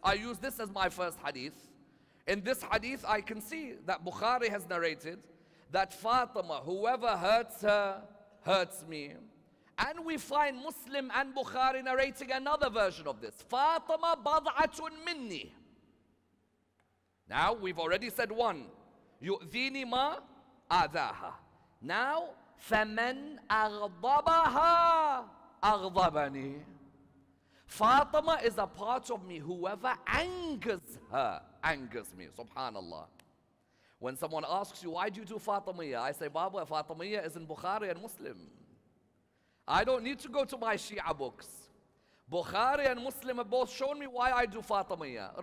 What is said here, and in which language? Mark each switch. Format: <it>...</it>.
<en>I use this as my first hadith. In this hadith, I can see that Bukhari has narrated that Fatima, whoever hurts her, hurts me. And we find Muslim and Bukhari narrating another version of this. Fatima</en> <ar>bad'atun minni.</ar> <en>Now, we've already said one.</en> <ar>يُؤْذِينِ مَا أَذَاهَا. Now, فَمَنْ أَغْضَبَهَا أَغْضَبَنِي.</ar> <en>Fatima is a part of me. Whoever angers her, angers me. Subhanallah. When someone asks you, why do you do Fatimiyah? I say, Baba, Fatimiyah is in Bukhari and Muslim. I don't need to go to my Shia books. Bukhari and Muslim have both shown me why I do Fatimiyah.</en>